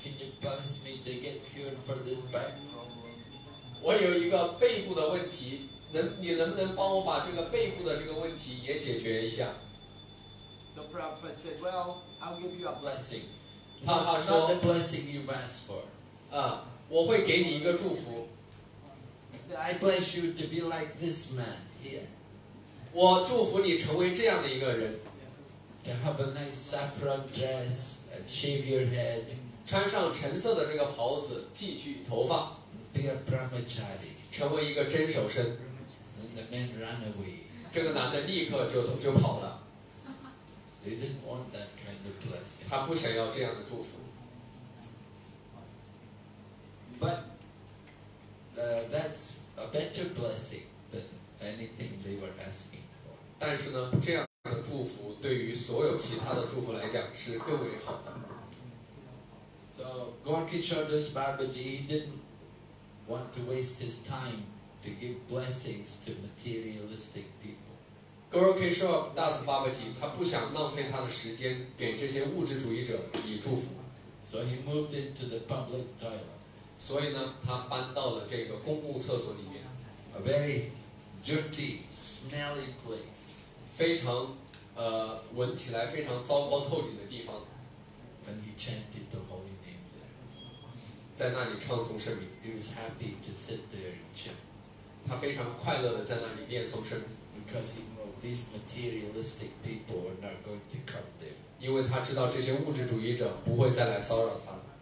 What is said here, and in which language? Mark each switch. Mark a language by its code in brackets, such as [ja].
[en] Can you bless me to get cured for this back problem?" [zh] 我有一个背部的问题，你能不能帮我把这个背部的这个问题也解决一下 [en] ？The prophet said, "Well, I'll give you a blessing." [zh] 帕帕说 [en] Not the blessing you asked for. [zh] 我会给你一个祝福。 [en] I bless you to be like this man here. [zh] 我祝福你成为这样的一个人。 [en] To have a nice saffron dress and shave your head. [zh] 穿上橙色的这个袍子，剃去头发。 [en] Be a brahmachari. [zh] 成为一个真守身。 [en] And the man ran away. [zh] 这个男的立刻就跑了。 [en] They didn't want that kind of blessing. [zh] 他不想要这样的祝福。 [en] But that's a better blessing than anything they were asking for. [zh] 但是呢，这样的祝福对于所有其他的祝福来讲是更为好的。 [en] So Gaur Kishor Das Babaji didn't want to waste his time to give blessings to materialistic people. [zh] Gaur Kishor Das Babaji 他不想浪费他的时间给这些物质主义者以祝福 [en] So he moved into the public toilet [zh] 所以呢他搬到了这个公共厕所里面 [en] A very dirty, smelly place [zh] 非常闻起来非常糟糕透顶的地方 [en] And he chanted the holy name there [zh] 在那里唱诵圣名 [en] He was happy to sit there and chant [zh] 他非常快乐地在那里念诵圣名 [en] Because he knows these materialistic people are not going to come there. [zh] 因为他知道这些物质主义者不会再来骚扰他了。